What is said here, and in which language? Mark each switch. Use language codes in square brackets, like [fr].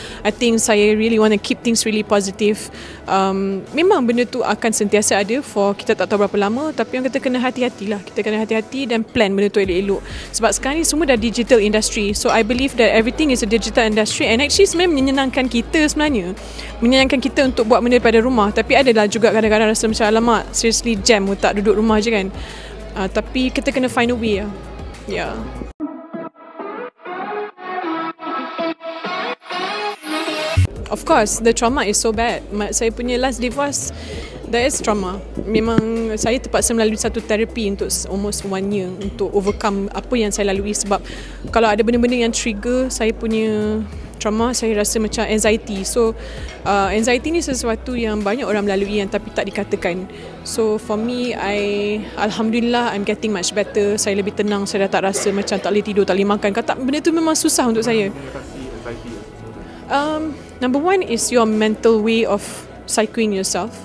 [en] I think saya really want to keep things really positive. [ms] Memang benda tu akan sentiasa ada for kita tak tahu berapa lama. Tapi orang kata kena hati-hatilah. Kita kena hati-hati dan plan benda tu elok-elok. Sebab sekarang ni semua dah digital industry. [en] So I believe that everything is a digital industry. And actually [ms] sebenarnya menyenangkan kita sebenarnya. Menyenangkan kita untuk buat benda daripada rumah. Tapi adalah juga kadang-kadang rasa macam alamak, seriously jam tak duduk rumah je kan. Tapi kita kena [en] find a way [ms] lah. Yeah. [en] Of course, the trauma is so bad. [ms] Saya punya [en] last divorce, [ms] that is trauma. Memang saya terpaksa melalui satu terapi untuk [en] almost 1 year [ms] untuk overcome apa yang saya lalui. Sebab kalau ada benda-benda yang trigger saya punya trauma, saya rasa macam anxiety. So anxiety ni sesuatu yang banyak orang melalui yang tapi tak dikatakan. [en] So for me, I alhamdulillah I'm getting much better. [ms] Saya lebih tenang, saya dah tak rasa macam tak boleh tidur, tak boleh makan. Kata benda tu memang susah untuk saya. [en] Number one is your mental way of psyching yourself.